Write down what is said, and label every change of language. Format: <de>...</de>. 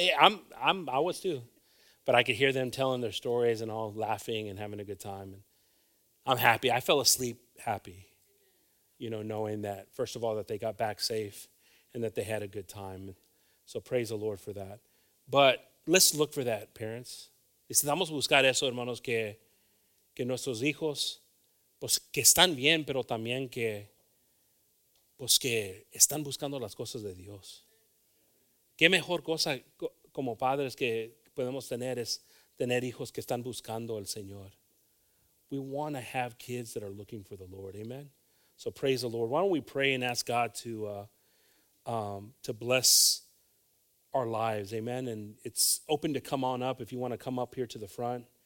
<en>I was too. But I could hear them telling their stories and all laughing and having a good time. And I'm happy. I fell asleep happy, you know, knowing that, first of all, that they got back safe and that they had a good time. So praise the Lord for that. But let's look for that, parents.</en> <es>Necesitamos buscar eso, hermanos, que nuestros hijos, pues que están bien, pero también que, pues que están buscando las cosas de Dios. ¿Qué mejor cosa como padres que podemos tener es tener hijos que están buscando al Señor?</es> <en>We want to have kids that are looking for the Lord. Amen? So praise the Lord. Why don't we pray and ask God to bless our lives. Amen? And it's open to come on up if you want to come up here to the front.</en>